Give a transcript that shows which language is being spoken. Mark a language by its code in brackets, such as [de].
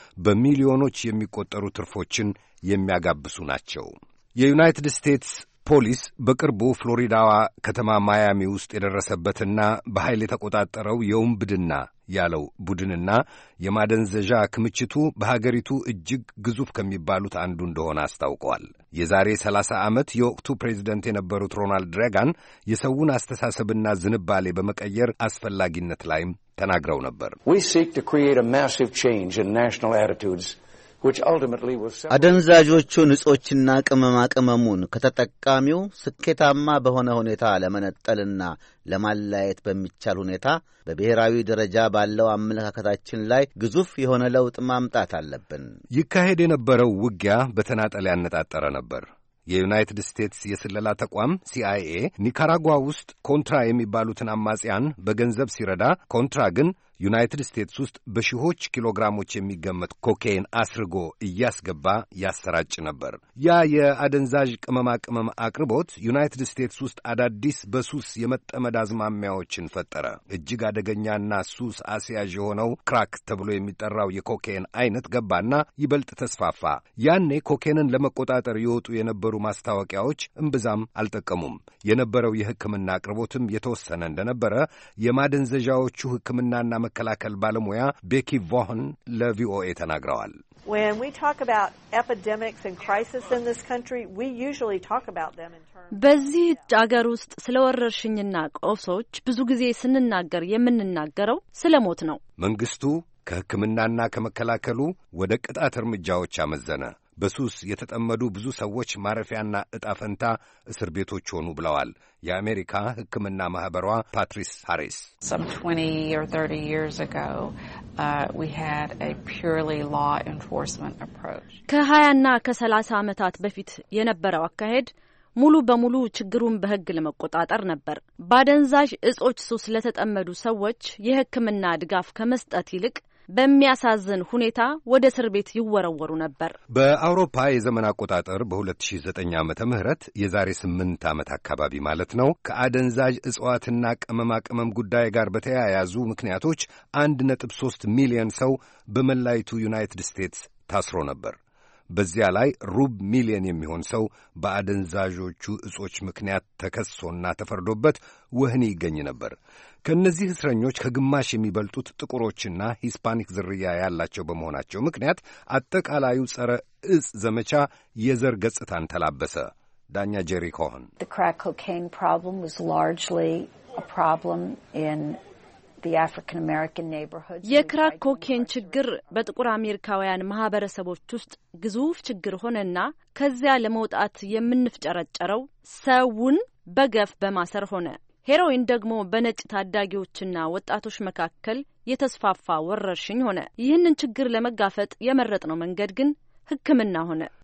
[am] በሚሊዮኖች የሚቆጠሩ ትርፎችን የሚያጋብሱ ናቸው። የዩናይትድ ስቴትስ ፖሊስ በቅርቡ ፍሎሪዳዋ ከተማ ማያሚ ውስጥ የደረሰበትና በኃይል የተቆጣጠረው የውንብድና ያለው ቡድንና የማደንዘዣ ክምችቱ በሀገሪቱ እጅግ ግዙፍ ከሚባሉት አንዱ እንደሆነ አስታውቋል። የዛሬ 30 ዓመት የወቅቱ ፕሬዚደንት የነበሩት ሮናልድ ሬጋን የሰውን አስተሳሰብና ዝንባሌ በመቀየር አስፈላጊነት ላይም ተናግረው ነበር። [en] We seek to create a massive change in national attitudes which ultimately will sell [am] አደንዛዦቹን እጾችና ቅመማ ቅመሙን ከተጠቃሚው ስኬታማ በሆነ ሁኔታ ለመነጠልና ለማላየት በሚቻል ሁኔታ በብሔራዊ ደረጃ ባለው አመለካከታችን ላይ ግዙፍ የሆነ ለውጥ ማምጣት አለብን። ይካሄድ የነበረው ውጊያ በተናጠል ያነጣጠረ ነበር። የዩናይትድ ስቴትስ የስለላ ተቋም CIA ኒካራጓ ውስጥ ኮንትራ የሚባሉትን አማጽያን በገንዘብ ሲረዳ፣ ኮንትራ ግን ዩናይትድ ስቴትስ ውስጥ በሺዎች ኪሎግራሞች የሚገመት ኮኬይን አስርጎ እያስገባ ያሰራጭ ነበር። ያ የአደንዛዥ ቅመማ ቅመም አቅርቦት ዩናይትድ ስቴትስ ውስጥ አዳዲስ በሱስ የመጠመድ አዝማሚያዎችን ፈጠረ። እጅግ አደገኛና ሱስ አስያዥ የሆነው ክራክ ተብሎ የሚጠራው የኮኬይን አይነት ገባና ይበልጥ ተስፋፋ። ያኔ ኮኬይንን ለመቆጣጠር የወጡ የነበሩ ማስታወቂያዎች እምብዛም አልጠቀሙም። የነበረው የሕክምና አቅርቦትም የተወሰነ እንደነበረ የማደንዘዣዎቹ ሕክምናና መከላከል ባለሙያ ቤኪ ቮህን ለቪኦኤ ተናግረዋል። [en] When we talk about epidemics and crises in this country, we usually talk about them in terms [am] በዚህ ሀገር ውስጥ ስለወረርሽኝና ቆሶች ብዙ ጊዜ ስንናገር የምንናገረው ስለሞት ነው። መንግስቱ ከህክምናና ከመከላከሉ ወደ ቅጣት እርምጃዎች አመዘነ። በሱስ የተጠመዱ ብዙ ሰዎች ማረፊያና እጣ ፈንታ እስር ቤቶች ሆኑ ብለዋል የአሜሪካ ህክምና ማህበሯ ፓትሪስ ሃሪስ። [en] Some 20 or 30 years ago we had a purely law enforcement approach. [am] ከ20ና ከ30 አመታት በፊት የነበረው አካሄድ ሙሉ በሙሉ ችግሩን በህግ ለመቆጣጠር ነበር። ባደንዛዥ እጾች ሱስ ለተጠመዱ ሰዎች የህክምና ድጋፍ ከመስጠት ይልቅ በሚያሳዝን ሁኔታ ወደ እስር ቤት ይወረወሩ ነበር። በአውሮፓ የዘመን አቆጣጠር በ2009 ዓመተ ምህረት የዛሬ 8 ዓመት አካባቢ ማለት ነው፣ ከአደንዛዥ እጽዋትና ቅመማ ቅመም ጉዳይ ጋር በተያያዙ ምክንያቶች 1.3 ሚሊዮን ሰው በመላይቱ ዩናይትድ ስቴትስ ታስሮ ነበር። በዚያ ላይ ሩብ ሚሊየን የሚሆን ሰው በአደንዛዦቹ እጾች ምክንያት ተከሶና ተፈርዶበት ወህኒ ይገኝ ነበር። ከነዚህ እስረኞች ከግማሽ የሚበልጡት ጥቁሮችና ሂስፓኒክ ዝርያ ያላቸው በመሆናቸው ምክንያት አጠቃላዩ ጸረ እጽ ዘመቻ የዘር ገጽታን ተላበሰ። ዳኛ ጄሪ ኮሆን [en] The crack cocaine problem was largely a problem in the African American neighborhoods [am] የክራክ ኮኬን ችግር በጥቁር አሜሪካውያን ማህበረሰቦች ውስጥ ግዙፍ ችግር ሆነና ከዚያ ለመውጣት የምንፍጨረጨረው ሰውን በገፍ በማሰር ሆነ። ሄሮይን ደግሞ በነጭ ታዳጊዎችና ወጣቶች መካከል የተስፋፋ ወረርሽኝ ሆነ። ይህንን ችግር ለመጋፈጥ የመረጥነው መንገድ ግን ህክምና ሆነ።